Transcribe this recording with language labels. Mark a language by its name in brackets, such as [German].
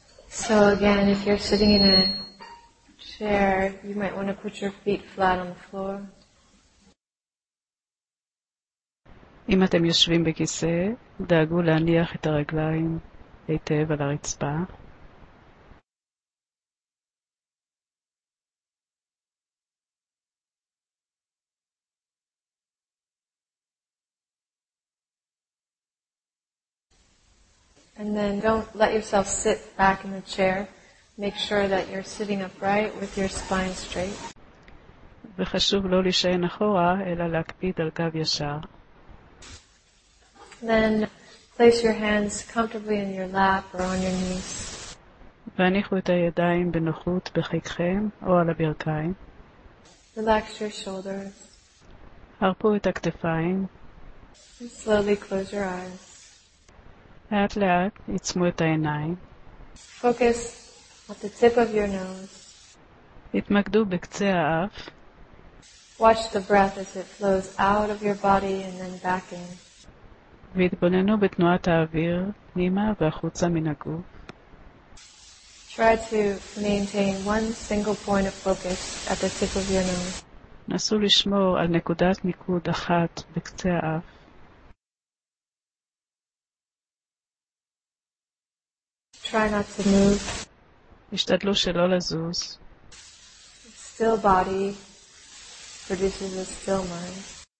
[English] So again, if you're sitting in a chair, you might want to put your feet flat on the floor. [Hebrew] אם אתם יושבים בכיסא, דאגו להניח את הרגליים היטב על הרצפה. [English] And then don't let yourself sit back in the chair. Make sure that you're sitting upright with your spine straight. [Hebrew] וחשוב לא לשען אחורה, אלא להקפיד על גב ישר. [English] Then place your hands comfortably in your lap or on your knees. [Hebrew] והניחו את הידיים בנוחות בחיקכם או על הברכיים. [English] Relax your shoulders. [Hebrew] הרפו את הכתפיים. [English] And slowly close your eyes. [Hebrew] לאט לאט עצמו את העיניים. [English] Focus at the tip of your nose. [Hebrew] התמקדו בקצה האף. [English] Watch the breath as it flows out of your body and then back in. [Hebrew] והתבוננו בתנועת האוויר פנימה והחוצה מן הגוף. [English] Try to maintain one single point of focus at the tip of your nose. [Hebrew] נסו לשמור על נקודת מיקוד אחת בקצה האף. [English] Try not to move. [Hebrew] השתדלו שלא לזוז. [English] Still body produces a still mind.